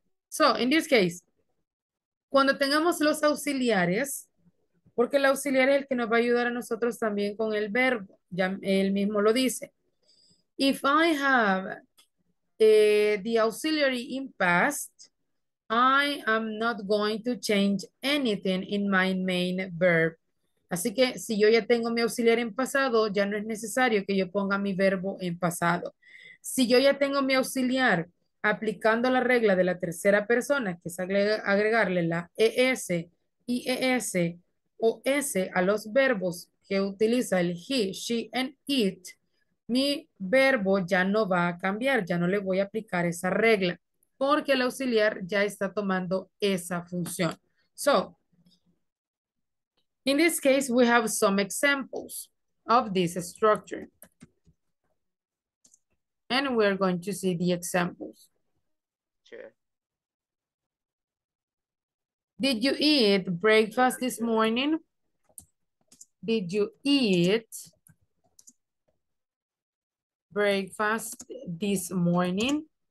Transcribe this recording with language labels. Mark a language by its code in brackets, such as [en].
[en] So in this case, [es] cuando tengamos los auxiliares, porque el auxiliar es el que nos va a ayudar a nosotros también con el verbo, ya él mismo lo dice. [en] If I have the auxiliary in past, I am not going to change anything in my main verb. [es] Así que si yo ya tengo mi auxiliar en pasado, ya no es necesario que yo ponga mi verbo en pasado. Si yo ya tengo mi auxiliar aplicando la regla de la tercera persona, que es agregarle la ES, IES o S a los verbos que utiliza el he, she, and it, mi verbo ya no va a cambiar, ya no le voy a aplicar esa regla, porque el auxiliar ya está tomando esa función. [en] So, in this case, we have some examples of this structure. And we're going to see the examples. Sure. Did you eat breakfast this morning? Did you eat breakfast this morning?